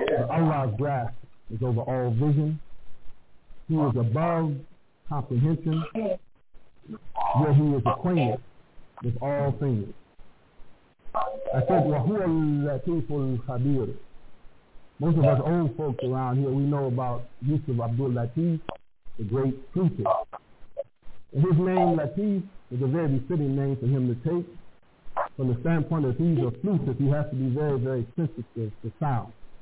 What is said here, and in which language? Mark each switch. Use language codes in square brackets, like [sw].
[en] Allah's grasp is over all vision. He is above comprehension, yet he is acquainted with all things. [ar] I said, وَهُوَ اللَّتِيفُ الْخَبِيرُ. [en] Most of us old folks around here, we know about Yusuf Abdul Latif, the great preacher. And his name, Latif, is a very befitting name for him to take. From the standpoint of he's a flutist, he has to be very, very sensitive to sound.